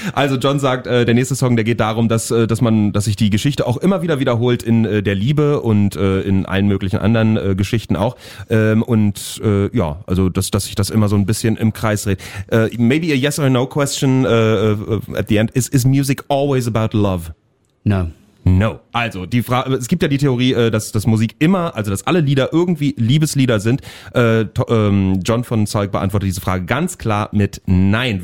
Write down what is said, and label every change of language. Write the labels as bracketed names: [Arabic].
[German] Also John sagt, der nächste Song, der geht darum, dass sich die Geschichte auch immer wieder wiederholt in der Liebe und in allen möglichen anderen Geschichten auch. Dass sich das immer so ein bisschen im Kreis dreht. [English] Maybe a yes or no question at the end. Is music always about love? No. No. [German] Also, die Frage, es gibt ja die Theorie, dass Musik immer, also dass alle Lieder irgendwie Liebeslieder sind. John von Zeug beantwortet diese Frage ganz klar mit Nein.